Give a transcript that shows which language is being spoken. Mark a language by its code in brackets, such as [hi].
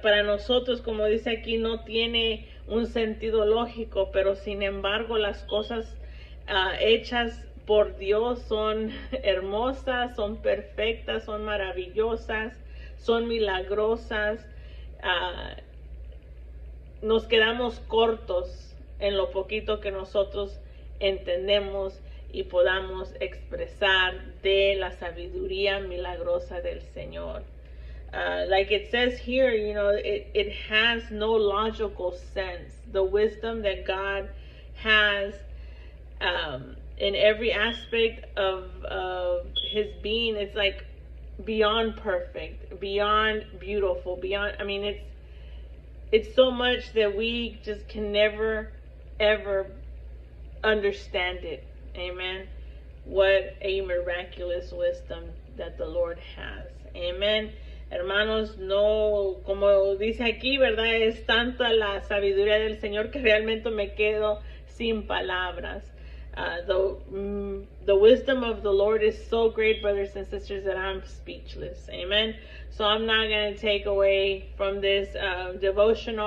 [es] Para nosotros, como dice aquí, no tiene un sentido lógico, pero sin embargo las cosas hechas por Dios son hermosas, son perfectas, son maravillosas, son milagrosas. Nos quedamos cortos en lo poquito que nosotros entendemos y podamos expresar de la sabiduría milagrosa del Señor. [en] Like it says here, you know, it has no logical sense. The wisdom that God has in every aspect of his being, it's like beyond perfect, beyond beautiful, beyond, I mean, it's so much that we just can never ever understand it. Amen. What a miraculous wisdom that the Lord has. Amen. [es] Hermanos, no, como dice aquí, ¿verdad? Es tanta la sabiduría del Señor que realmente me quedo sin palabras. [en] The wisdom of the Lord is so great, brothers and sisters, that I'm speechless. Amen. So I'm not going to take away from this devotional.